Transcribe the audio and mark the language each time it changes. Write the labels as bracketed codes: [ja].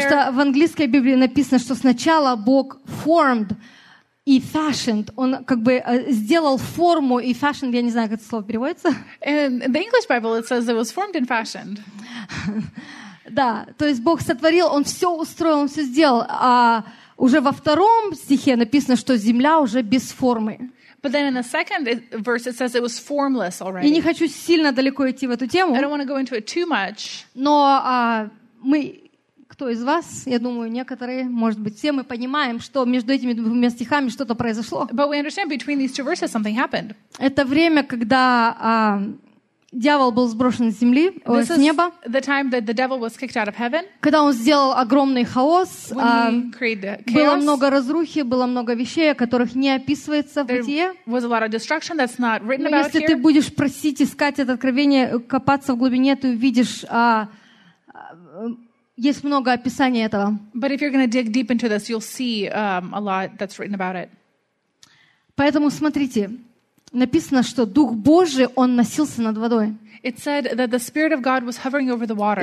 [ru] Потому что в английской Библии написано, что сначала Бог formed и fashioned. Он как бы сделал форму и fashioned. Я не знаю, как это слово переводится. [en] And in the English Bible it says it was formed and fashioned. [ru] Да, то есть Бог сотворил, Он все устроил, Он все сделал. А уже во втором стихе написано, что земля уже без формы. [en] But then in the second verse it says it was formless already. [ru] Я не хочу сильно далеко идти в эту тему. [en] I don't want to go into it too much. [ru] Но мы, кто из вас, я думаю, некоторые, может быть, все мы понимаем, что между этими двумя стихами что-то произошло. [en] But we understand between these two verses something happened. [ru] Это время, когда дьявол был сброшен с земли, с неба. [en] The time that the devil was kicked out of heaven. [ru] Когда он сделал огромный хаос, [en] chaos, [ru] было много разрухи, было много вещей, о которых не описывается в Бытие. [en] Was a lot of destruction that's not written about. [ru] Если ты будешь просить, искать это откровение, копаться в глубине, ты увидишь, есть много описаний этого. [en] But if you're going to dig deep into this, you'll see a lot that's written about it. [ru] Поэтому смотрите. Написано, что Дух Божий, Он носился над водой. [en] It said that the Spirit of God was hovering over the waters.